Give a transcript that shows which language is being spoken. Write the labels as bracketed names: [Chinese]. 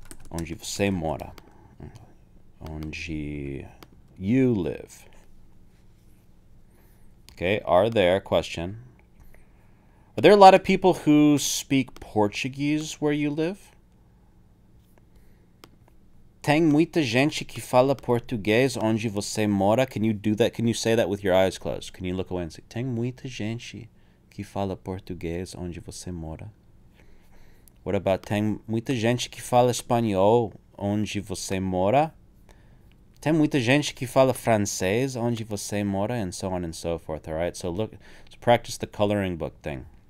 [Portuguese] Onde você mora? Onde [English] you live? Okay, are there, question. Are there a lot of people who speak Portuguese where you live? [Portuguese] Tem muita gente que fala português onde você mora? [English] Can you do that? Can you say that with your eyes closed? Can you look away and say, [Portuguese] tem muita gente que fala português onde você mora? [English] What about, [Portuguese] tem muita gente que fala espanhol onde você mora? Tem muita gente que fala francês onde você mora? [English] And so on and so forth, all right? So look, let's practice the coloring book thing.